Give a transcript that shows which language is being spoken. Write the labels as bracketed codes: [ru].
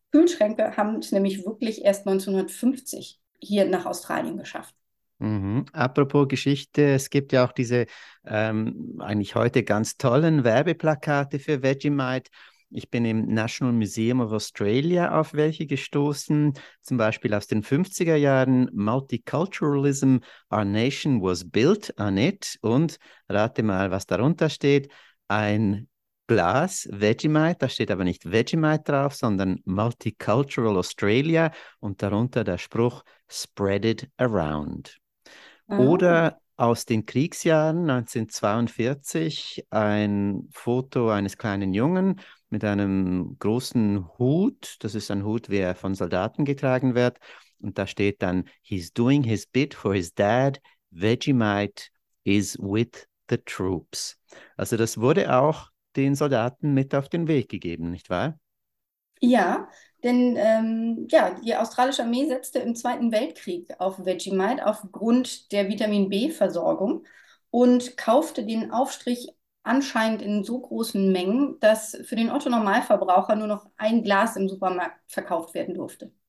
[de] Kühlschränke haben es nämlich wirklich erst 1950 hier nach Australien geschafft. Apropos Geschichte, es gibt ja auch diese eigentlich heute ganz tollen Werbeplakate für Vegemite. Ich bin im National Museum of Australia auf welche gestoßen, zum Beispiel aus den 50er Jahren. [en] Multiculturalism, our nation was built on it. [de] Und rate mal, was darunter steht. Ein Glas Vegemite, da steht aber nicht Vegemite drauf, sondern Multicultural Australia und darunter der Spruch Spread it around. Oder aus den Kriegsjahren 1942 ein Foto eines kleinen Jungen mit einem großen Hut. Das ist ein Hut, wie er von Soldaten getragen wird. [en] Und da steht dann: He's doing his bit for his dad. Vegemite is with the troops. [de] Also, das wurde auch den Soldaten mit auf den Weg gegeben, nicht wahr? Ja, denn ja, die australische Armee setzte im Zweiten Weltkrieg auf Vegemite aufgrund der Vitamin B-Versorgung und kaufte den Aufstrich anscheinend in so großen Mengen, dass für den Otto-Normalverbraucher nur noch ein Glas im Supermarkt verkauft werden durfte.